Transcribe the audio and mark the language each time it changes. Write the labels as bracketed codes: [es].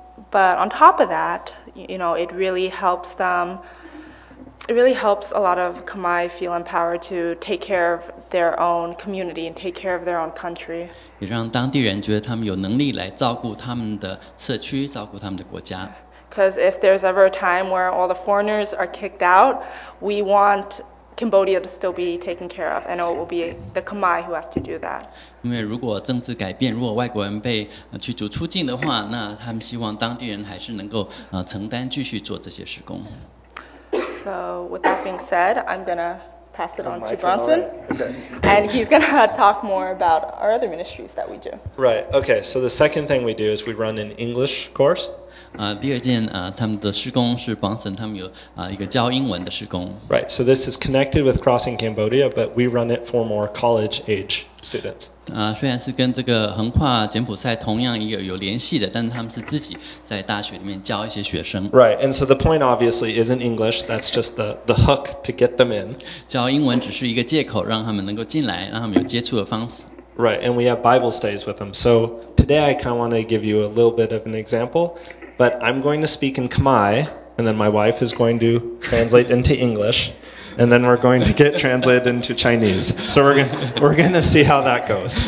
[en] But on top of that, you know, it really helps them. It really helps a lot of Khmer feel empowered to take care of their own community and take care of their own country. [zh] 也让当地人觉得他们有能力来照顾他们的社区，照顾他们的国家。 [en] Because if there's ever a time where all the foreigners are kicked out, we want Cambodia to still be taken care of, and it will be the Khmer who have to do that. [zh] 因为如果政治改变，如果外国人被驱逐出境的话，那他们希望当地人还是能够承担继续做这些事工。 [en] So with that being said, I'm gonna pass it on to Bronson, and he's gonna talk more about our other ministries that we do. Right. Okay. So the second thing we do is we run an English course. [zh] 第二件他们的事工是 Bronson 他们有一个教英文的事工。 [en] Right, so this is connected with Crossing Cambodia, but we run it for more college age students. [zh] 虽然是跟这个横跨柬埔寨同样也有联系的，但是他们是自己在大学里面教一些学生。 [en] Right, and so the point obviously isn't English, that's just the hook to get them in. [zh] 教英文只是一个借口让他们能够进来，让他们有接触的方式。 [en] Right, and we have Bible studies with them. So today I kind of want to give you a little bit of an example.But I'm going to speak in Khmer, and then my wife is going to translate into English, and then we're going to get translated into Chinese. So we're going to see how that goes.